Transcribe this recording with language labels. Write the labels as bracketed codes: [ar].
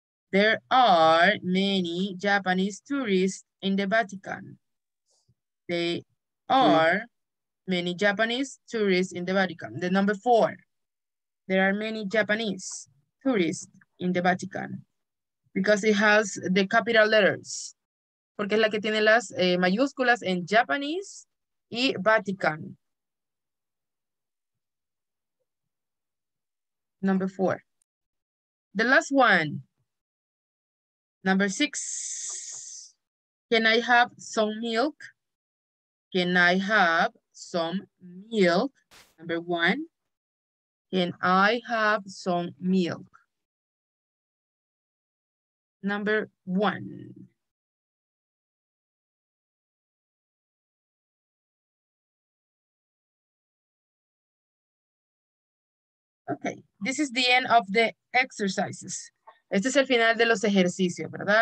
[en] There are many Japanese tourists in the Vatican. They are many Japanese tourists in the Vatican. The number four. There are many Japanese tourists in the Vatican. Because it has the capital letters. [es] Porque es la que tiene las mayúsculas en Japanese y Vatican. [en] Number four. The last one. Number six. Can I have some milk? Can I have some milk? Number one. Can I have some milk? Number one. Okay, this is the end of the exercises. [es] Este es el final de los ejercicios, ¿verdad?